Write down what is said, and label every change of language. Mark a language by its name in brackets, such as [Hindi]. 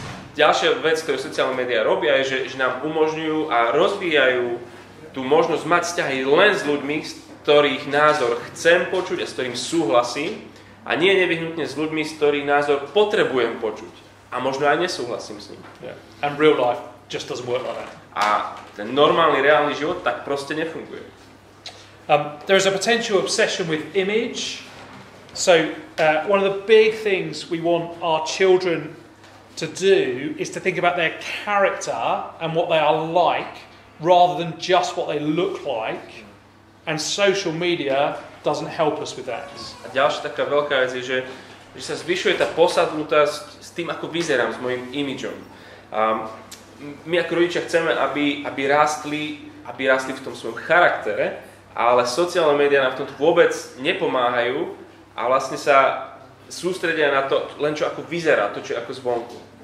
[Slovak] Ďalšia vec, ktorú sociálne médiá robia, je, že nám umožňujú a rozvíjajú tú možnosť mať vzťahy len s ľuďmi, z ktorých názor chcem počuť a s ktorým súhlasím, a nie nevyhnutne s ľuďmi, z ktorých názor potrebujem počuť a možno aj nesúhlasím s ním. [English] Yeah. And real life just doesn't work like that. [Slovak] A ten normálny, reálny život tak proste nefunguje. [English] There is a potential obsession with image. So one of the big things we want our children to do is to think about their character and what they are like rather than just what they look like, and social media doesn't help us with that. [Slovak] A ďalšia taká veľká vec je, že sa zvyšuje tá posadnutosť s tým, ako vyzerám, s mojim imidžom. My ako rodičia chceme, aby rástli v tom svojom charaktere, ale sociálne médiá nám v tom vôbec nepomáhajú a vlastne sa sústredia na to, len čo ako vyzerá, to čo ako zvonku.